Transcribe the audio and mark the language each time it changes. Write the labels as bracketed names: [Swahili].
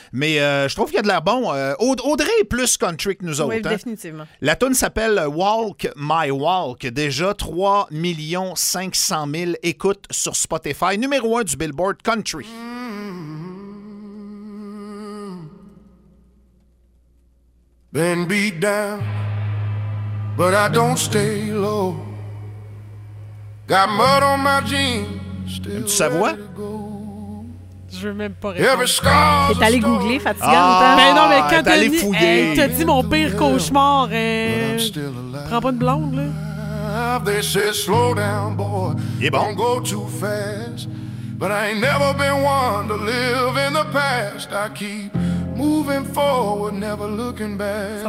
[French] Mais je trouve qu'il y a de l'air bon. Audrey est plus country que nous autres. Oui, définitivement. Hein? La toune s'appelle Walk My Walk. Déjà 3 500 000 écoutes sur Spotify. Numéro un du Billboard Country. [English] Been beat down, but I don't stay low. Got mud on my jeans, still ready to go. [French] Je veux même pas répondre. T'es allé googler, fatigant. Ben non, mais quand t'as dit, t'as dit mon pire cauchemar, prends pas une blonde, là. [English] They say slow down, boy. [French] Il est bon. [English] Don't go too fast. But I ain't never been one to live in the past. I keep moving forward, never looking back.